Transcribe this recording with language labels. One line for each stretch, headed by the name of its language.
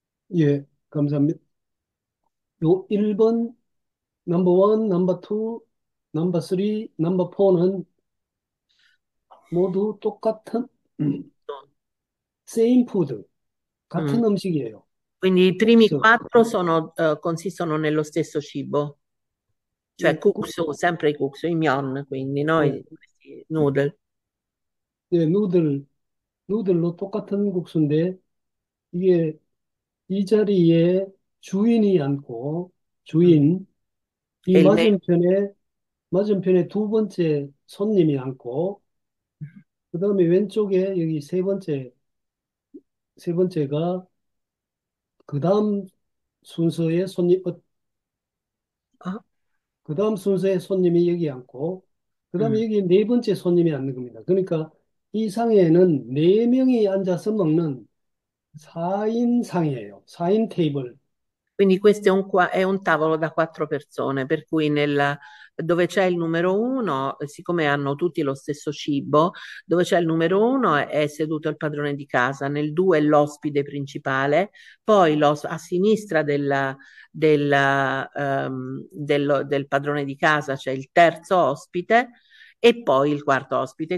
Korean: Yeah. 예, 감사합니다. 요 1번, 넘버 1, 넘버 2, 넘버 3, 넘버 4는 모두 똑같은 same food, 같은 음식이에요.
Italian: Quindi i primi
English: So.
Italian: 4 consistono nello stesso cibo, cioè cookso, sempre i cookso, i myeon, quindi noi noodle.
Korean: Noodle로 똑같은 국수인데, 이게 이 자리에 주인이 앉고, 주인, 이 맞은편에 두 번째 손님이 앉고, 그 다음에 왼쪽에 여기 세 번째가, 그 다음 순서에 손님이 여기 앉고, 그 다음에 여기 네 번째 손님이 앉는 겁니다. 그러니까, 이 상에는 4명이 앉아서 먹는 4인 상이에요. 4인 테이블.
Italian: Quindi questo è un tavolo da quattro persone, per cui dove c'è il numero uno, siccome hanno tutti lo stesso cibo, dove c'è il numero uno è seduto il padrone di casa, nel due è l'ospite principale, poi a sinistra del padrone di casa c'è il terzo ospite e poi il quarto ospite.